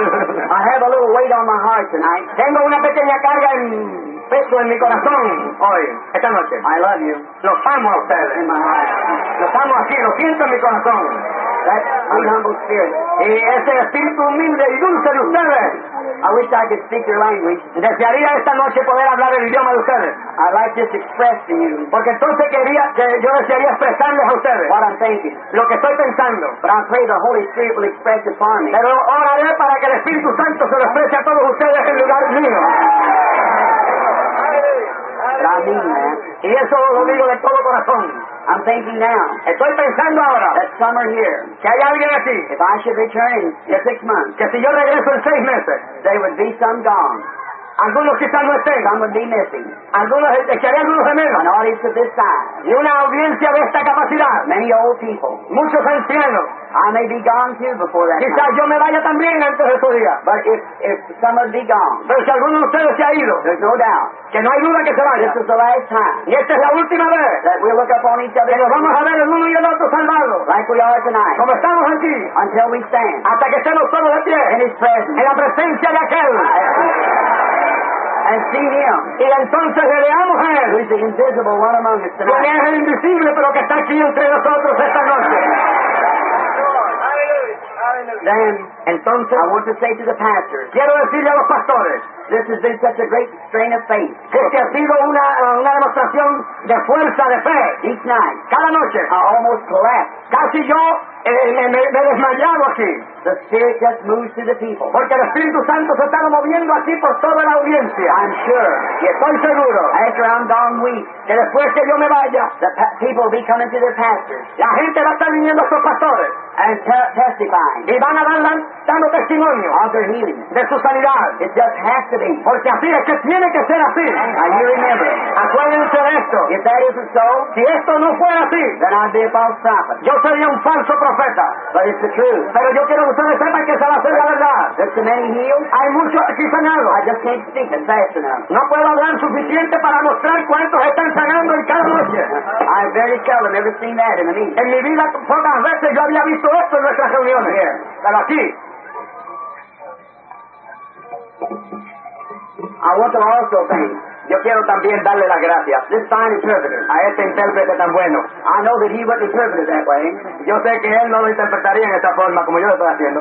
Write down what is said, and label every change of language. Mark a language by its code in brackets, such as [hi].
[en] I have a little weight on my heart tonight. [es] Tengo una pequeña carga en peso en mi corazón hoy, esta noche. [en] I love you. [es] Los amo a ustedes. [en] In my heart. [es] Los amo aquí, lo siento en mi corazón. [en] That humble spirit. [es] Y ese espíritu humilde y dulce de ustedes. [en] I wish I could speak your language. [es] Desearía esta noche poder hablar el idioma de ustedes. [en] I'd like to express to you. [es] Porque entonces quería que yo desearía expresarles a ustedes. [en] What I'm thinking. [es] Lo que estoy pensando. [en] But I pray the Holy Spirit will express it for me. [es] Pero oraré para que el Espíritu Santo se lo exprese a todos ustedes en lugar mío. [en] But I mean that. [es] Y eso lo digo de todo corazón. [en] I'm thinking now. [es] Estoy pensando ahora. [en] That summer here. [es] Que hay alguien aquí. [en] If I should return in 6 months. [es] Que si yo regreso en 6 meses. [en] They would be some gone. [es] algunos que están no estén. [en] Some would be missing. [es] Algunos echarían algunos gemelos. [en] An audience of this size. [es] Y una audiencia de esta capacidad. [en] Many old people. [es] Muchos ancianos. [en] I may be gone too before that. [es] Quizás yo me vaya también antes de su día. [en] But if some would be gone. [es] Pero si alguno de ustedes se ha ido. [en] There's no doubt. [es] Que no hay duda que se vaya. [en] This is the last time. [es] Y esta es la última vez. [en] That we'll look upon each other. [es] Que nos vamos a ver el uno y el otro salvado. [en] Like we are tonight. [es] Como estamos aquí. [en] Until we stand. [es] Hasta que estemos todos de pie. [en] In his presence. [es] En la presencia de aquel. [en] And see him. [es] Y entonces le veamos a él. [en] Who is the invisible one among us tonight. [es] Quien es el invisible pero que está aquí entre nosotros esta noche. [en] Then, entonces, I want to say to the pastors, [es] quiero decirle a los pastores, [en] this has been such a great strain of faith. [es] Este ha sido una demostración de fuerza, de fe. [en] Each night, [es] cada noche, [en] I almost collapsed. [es] Casi yo me desmayado aquí. [en] The Spirit just moves through the people. [es] Porque el Espíritu Santo se está moviendo aquí por toda la audiencia. [en] I'm sure. [es] Y estoy seguro. [en] After I'm gone weak, [es] que después que yo me vaya, [en] the people will be coming to their pastors. [es] La gente va a estar viniendo a sus pastores. [en] And testifying. [es] Y van a dando testimonio. [en] Of their healing. [es] De su sanidad. [en] It just has to be. [es] Porque así es que tiene que ser así. [en] And you remember. [es] Acuérdense de esto. [en] If that isn't so, [es] si esto no fuera así, [en] then I'd be a false prophet. [es] Yo sería un falso profeta. [en] But it's the truth. [es] Pero yo quiero que ustedes sepan que se va a hacer la verdad. [en] There's too many healed. [es] Hay muchos aquí sanados. [en] I just can't speak it fast enough. [es] No puedo hablar suficiente para mostrar cuántos están sanando en cada noche. [en] I very seldom ever seen that in the meeting. [es] En mi vida pocas veces yo había visto esto en nuestras reuniones. [en] Here. [es] Pero aquí. [en] I want to also thank. [es] Yo quiero también darle las gracias. [en] This fine interpreter. [es] A este intérprete tan bueno. [en] I know that he would interpret it that way. [es] Yo sé que él no lo interpretaría en esta forma como yo lo estoy haciendo.